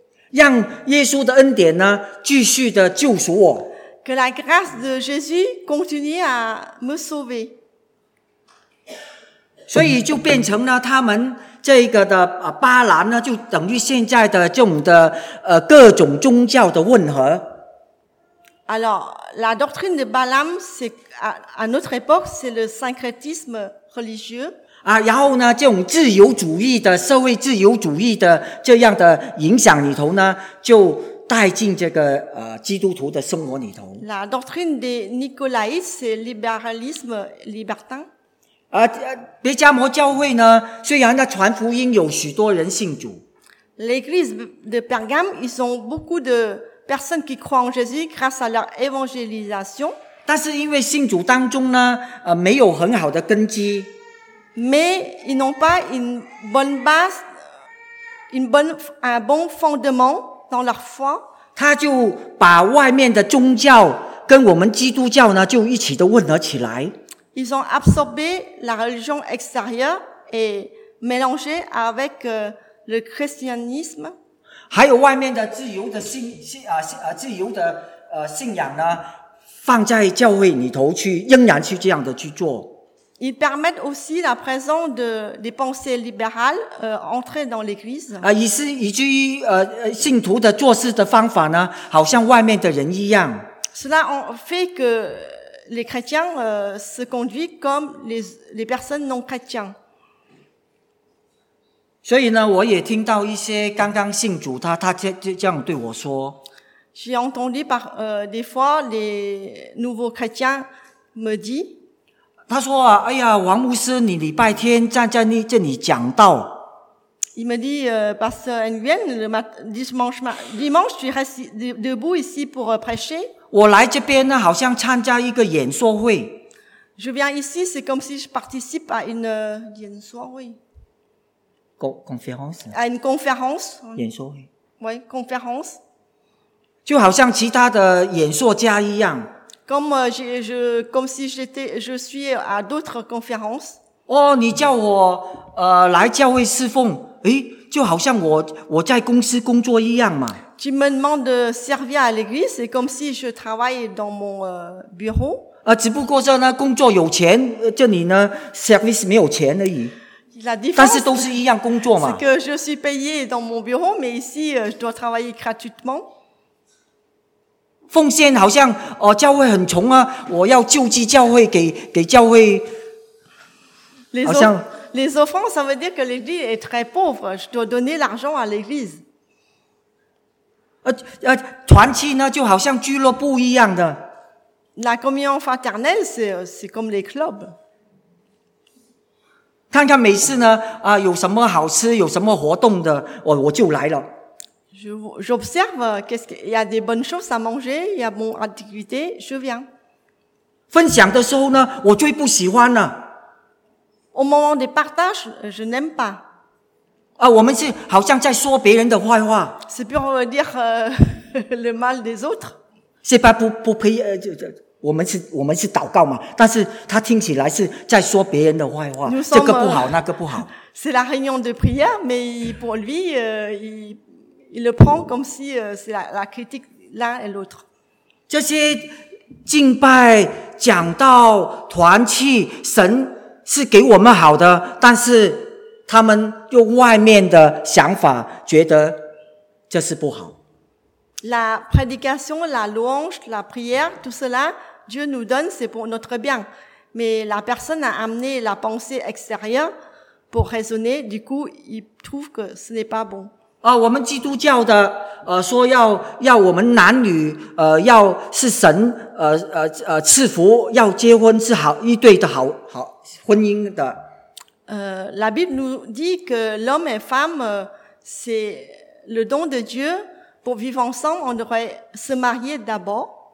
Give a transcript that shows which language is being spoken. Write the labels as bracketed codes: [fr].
[zh] 让耶稣的恩典呢，继续的救赎我。 [fr] Que la grâce de Jésus continue à me sauver. [zh] 所以就变成了他们这个的巴兰呢，就等于现在的这种的各种宗教的混合。 [fr] Alors, la doctrine de Balaam, c'est, à notre époque, c'est le syncrétisme religieux. [zh] 啊，然后呢，这种自由主义的社会自由主义的这样的影响里头呢，就带进这个基督徒的生活里头。 [fr] La doctrine des Nicolaïdes, c'est libéralisme libertin. [zh] 啊，别加摩教会呢，虽然呢传福音有许多人信主。 [fr] L'église de Pergame, ils ont beaucoup de personnes qui croient en Jésus grâce à leur évangélisation. [zh] 但是因为信主当中呢，没有很好的根基。 [fr] Mais ils n'ont pas une bonne base un bon fondement dans leur foi. [zh] 他就把外面的宗教跟我们基督教呢就一起都混合起来。 [fr] Ils ont absorbé la religion extérieure et mélangé avec le christianisme. [zh] 还有外面的自由的信自由的信仰呢放在教会里头去仍然去这样的去做。 [fr] Ils permettent aussi la présence des pensées libérales entrées dans l'église. [zh] 以至于信徒的做事的方法呢好像外面的人一样。 [fr] Cela fait que les chrétiens se conduisent comme les personnes non chrétiens. [zh] 所以呢我也听到一些刚刚信主他这样对我说。 [fr] J'ai entendu des fois les nouveaux chrétiens me dire, [zh] 他说啊，哎呀，王牧师，你礼拜天站在这里讲道。 [fr] Il me dit, Pasteur Nguyen, le dimanche, tu restes debout ici pour prêcher. [zh] 我来这边呢，好像参加一个演说会。 [fr] Je viens ici, c'est comme si je participe à une 演说会。 Conférence. À une conférence. [zh] 演说会。 [fr] Oui, conférence. [zh] 就好像其他的演说家一样。 [fr] Comme comme si j'étais, je suis à d'autres conférences. [zh] Oh, 你叫我来教会侍奉，诶，就好像我在公司工作一样嘛。 [fr] Tu me demandes de servir à l'église, c'est comme si je travaille dans mon bureau. [zh] 只不过说呢，工作有钱，这里呢 ，service 没有钱而已。 [fr] La différence, [zh] 但是都是一样工作嘛。 [fr] C'est que je suis payé dans mon bureau, mais ici je dois travailler gratuitement. [zh] 奉献好像教会很穷啊，我要救济教会给教会。 [fr] 好像 les offrandes, ça veut dire que l'église est très pauvre. Je dois donner l'argent à l'église. [zh] 团契呢，就好像俱乐部一样的。 [fr] La communion fraternelle, c'est comme les clubs. [zh] 看看每次呢有什么好吃，有什么活动的，我就来了。 [fr] J'observe qu'est-ce qu'il y a des bonnes choses à manger, il y a bonne activité, je viens. [zh] 分享的时候呢，我最不喜欢了。 [fr] Au moment des partages, je n'aime pas. [zh] 我们是好像在说别人的坏话。 [fr] C'est pour dire le mal des autres. C'est pas pour prier, [zh] 我们是祷告嘛，但是他听起来是在说别人的坏话，这个不好，那个不好。 [fr] C'est la réunion de prière, mais pour lui, il le prend comme si c'est la critique l'un et l'autre. [zh] 这些敬拜、讲道、团契，神是给我们好的，但是他们用外面的想法觉得这是不好。 [fr] La prédication, la louange, la prière, tout cela, Dieu nous donne, c'est pour notre bien. Mais la personne a amené la pensée extérieure pour raisonner, du coup, il trouve que ce n'est pas bon. [zh] 我们基督教的说要我们男女要是神赐福要结婚是好一对的好婚姻的。 [fr] La Bible nous dit que l'homme et femme, c'est le don de Dieu pour vivre ensemble, on devrait se marier d'abord.